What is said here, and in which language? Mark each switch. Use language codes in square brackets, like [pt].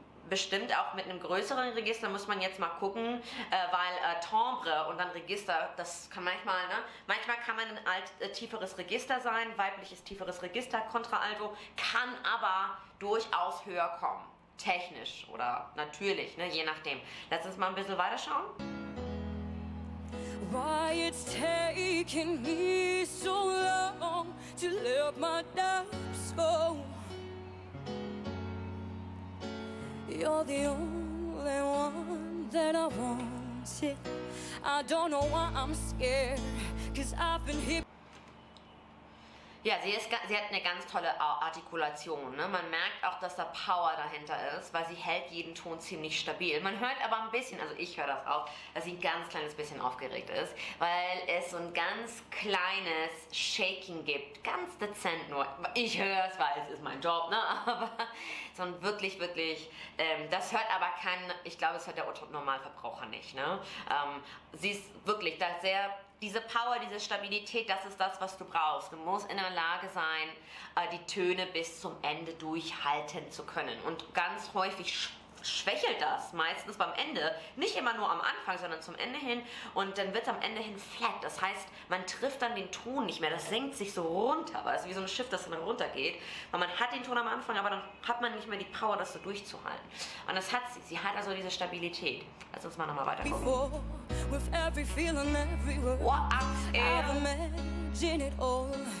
[de] Bestimmt auch mit einem größeren Register, muss man jetzt mal gucken, weil Timbre und dann Register, das kann manchmal, ne? Manchmal kann man ein alt, tieferes Register sein, weibliches tieferes Register, Contralto, kann aber durchaus höher kommen. Technisch oder natürlich, ne? Je nachdem. Lass uns mal ein bisschen weiterschauen. [en] Why it's taking me so long to let my doubts go. You're the only one that I want. I don't know why I'm scared, 'cause I've been here. [de] Ja, sie hat eine ganz tolle Artikulation. Ne? Man merkt auch, dass da Power dahinter ist, weil sie hält jeden Ton ziemlich stabil. Man hört aber ein bisschen, also ich höre das auch, dass sie ein ganz kleines bisschen aufgeregt ist, weil es so ein ganz kleines Shaking gibt, ganz dezent nur. Ich höre es, weil es ist mein Job, ne? Aber so ein wirklich, wirklich, das hört aber kein, ich glaube, das hört der Otto-Normalverbraucher nicht. Ne? Sie ist wirklich da sehr... Diese Power, diese Stabilität, das ist das, was du brauchst. Du musst in der Lage sein, die Töne bis zum Ende durchhalten zu können. Und ganz häufig schwächelt das, meistens beim Ende. Nicht immer nur am Anfang, sondern zum Ende hin. Und dann wird es am Ende hin flat. Das heißt, man trifft dann den Ton nicht mehr. Das senkt sich so runter. Aber es ist wie so ein Schiff, das dann runtergeht. Weil man hat den Ton am Anfang, aber dann hat man nicht mehr die Power, das so durchzuhalten. Und das hat sie. Sie hat also diese Stabilität. Lass uns mal nochmal weiter gucken. [en] With every feeling, every word, I've imagined it all.